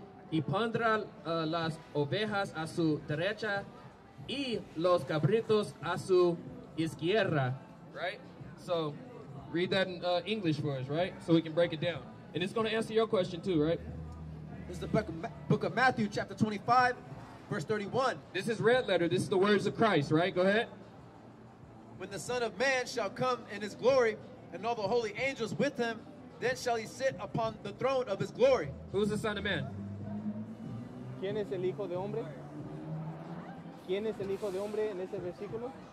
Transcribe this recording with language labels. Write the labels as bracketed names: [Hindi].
[Spanish] Y pondrá las ovejas a su derecha y los cabritos a su izquierda. [English] Right? So, read that in English for us, right? So we can break it down. And it's going to answer your question too, right? This is the book of Matthew, chapter 25, verse 31. This is red letter. This is the words of Christ, right? Go ahead. When the Son of Man shall come in his glory and all the holy angels with him, then shall he sit upon the throne of his glory. Who's the Son of Man? [Spanish] ¿Quién es el Hijo de Hombre? ¿Quién es el Hijo de Hombre en ese versículo?